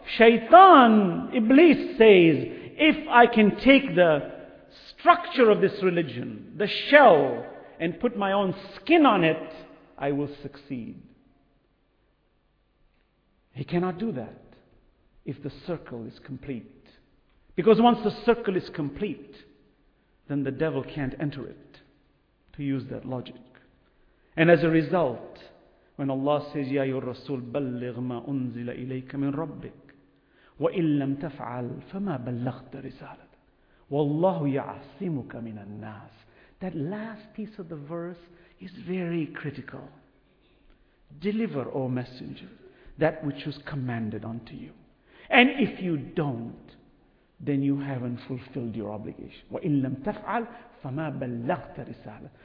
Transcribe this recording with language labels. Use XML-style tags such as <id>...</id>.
<en>Shaitan, Iblis says, if I can take the structure of this religion, the shell, and put my own skin on it, I will succeed. He cannot do that if the circle is complete. Because once the circle is complete, then the devil can't enter it, to use that logic. And as a result, when Allah says,</en> <ar>يَا يُرْ رَسُولُ بَلِّغْ مَا أُنزِلَ إِلَيْكَ مِنْ رَبِّكَ وَإِنْ لَمْ تَفْعَلْ فَمَا بَلَّغْتَ رِسَالَةً وَاللَّهُ يَعْصِمُكَ مِنَ النَّاسِ.</ar> <en>That last piece of the verse is very critical. Deliver, O Messenger, that which was commanded unto you. And if you don't, then you haven't fulfilled your obligation.</en> <ar>وَإِنْ لَمْ تَفْعَلْ فَمَا بَلَّغْتَ رِسَالَةً.</ar>